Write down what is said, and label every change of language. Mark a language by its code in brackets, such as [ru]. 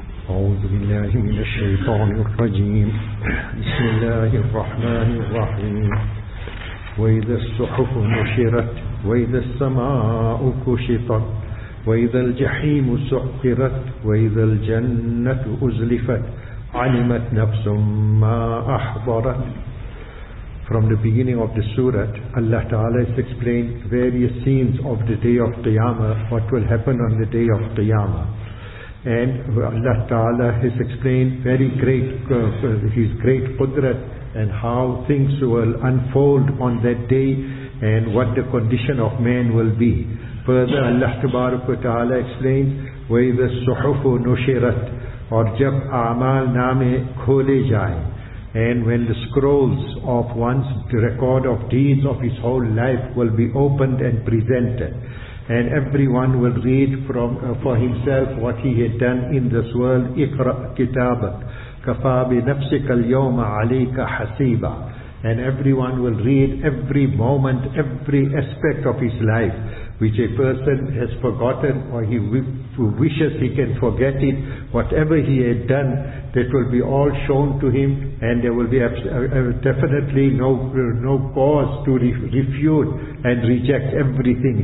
[ar] أعوذ بالله من الشيطان الرجيم. بسم الله الرحمن الرحيم. وإذا الصحف نشرت وإذا السماء كشطت وإذا الجحيم سعرت وإذا الجنة أزلفت علمت نفس ما أحضرت. [en] From the beginning of the surah, Allah Ta'ala has explained various scenes of the day of Qiyamah, what will happen on the day of Qiyamah. And Allah Ta'ala has explained very great His great Qudrat and how things will unfold on that day and what the condition of man will be. Further, Allah Ta'ala explains, [ar] وَإِذَا الصُّحُفُ نُشِرَتْ [en] or [ur] جَبْ أَعْمَالْ نَامِ khole jaye. [en] And when the scrolls of one's record of deeds of his whole life will be opened and presented, and everyone will read from for himself what he had done in this world. [ar] اقرأ كتابك كفى بنفسك اليوم عليك حسيبا. [en] And everyone will read every moment, every aspect of his life, which a person has forgotten or he wishes he can forget it. Whatever he had done, that will be all shown to him, and there will be definitely no cause to refute and reject everything.